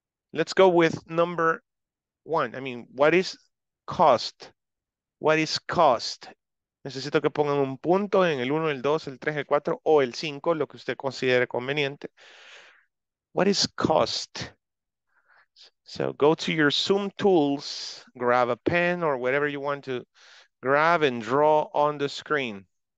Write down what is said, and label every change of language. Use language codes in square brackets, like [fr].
[en] Let's go with number one. I mean, what is cost? What is cost? [es] Necesito que pongan un punto en el 1, el 2, el 3, el 4 o el 5, lo que usted considere conveniente. [en] What is cost? So go to your Zoom tools, grab a pen or whatever you want to grab and draw on the screen.